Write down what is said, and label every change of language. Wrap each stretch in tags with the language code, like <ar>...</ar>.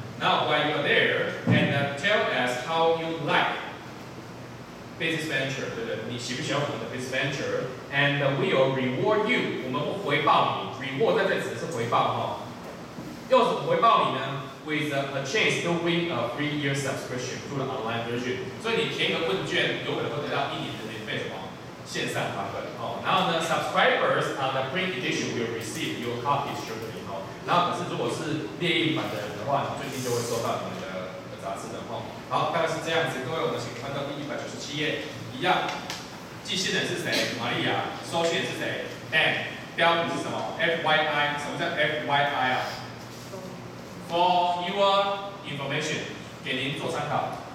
<en>Now while you're there, and tell us how you like business venture,</en> <zh>对不对？你喜不喜欢我们的</zh> <en>business venture? And we'll reward you.</en> <zh>我们会回报你。Reward 在这里指的是回报哈。要怎么回报你呢</zh> <en>？With a chance to win a 3-year subscription to the online version.</en> <zh>所以你填个问卷，有可能会得到一年的免费什么线上版本哦。然后呢</zh> <en>，subscribers on the print edition will receive your copy shortly.</en> <zh>哈。然后可是如果是猎鹰版的人的话，你最近就会收到你们的杂志的哈。好，大概是这样子。各位，我们请翻到第197页，一样。寄信人是谁？玛利亚。收信是谁 ？M。标题是什么 ？FYI。什么叫 FYI 啊 ？</zh> <en>For your information，</en> <zh>给您做参考。</zh>